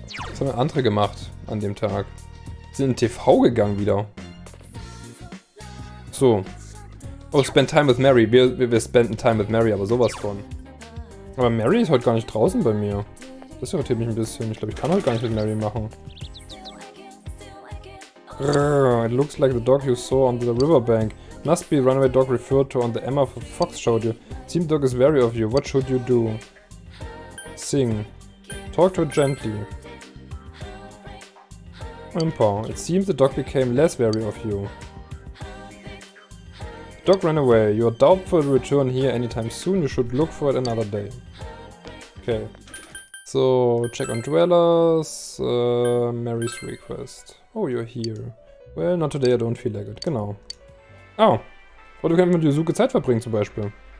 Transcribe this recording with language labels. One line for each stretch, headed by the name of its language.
German: Was haben wir andere gemacht an dem Tag? Sind in TV gegangen wieder.
English: So. Oh, spend time with Mary. Wir spenden time with Mary,
German: aber sowas von. Aber Mary ist heute gar nicht draußen bei mir. Das irritiert mich ein bisschen. Ich glaube, ich kann heute gar nicht mit Mary machen.
English: It looks like the dog you saw on the riverbank. Must be a runaway dog referred to on the Emma Fox show. Seems dog is wary of you. What should you do? Sing. Talk to it gently. Impa. It seems the dog became less wary of you. Dog ran away. You are doubtful to return here anytime soon. You should look for it another day. Okay. So, check on dwellers. Mary's request. Oh, you're here. Well, not today, I don't feel like it.
German: Genau. Oh. Oder du könntest mit Yuzuka Zeit verbringen, zum Beispiel.